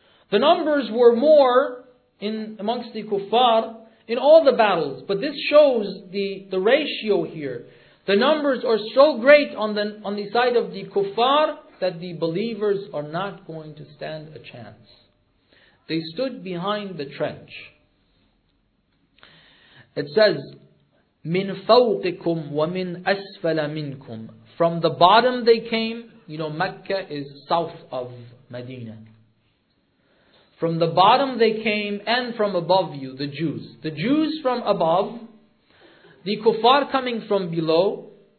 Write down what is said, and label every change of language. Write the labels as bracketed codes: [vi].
[en] The numbers were more in amongst the kuffar in all the battles, but this shows the ratio here. The numbers are so great on the side of the kuffar that the believers are not going to stand a chance. They stood behind the trench. It says, [ar] مِنْ فَوْقِكُمْ وَمِنْ أَسْفَلَ مِنْكُمْ. [en] From the bottom they came. You know, Mecca is south of Medina. From the bottom they came and from above you, the Jews. The Jews from above, the kuffar coming from below.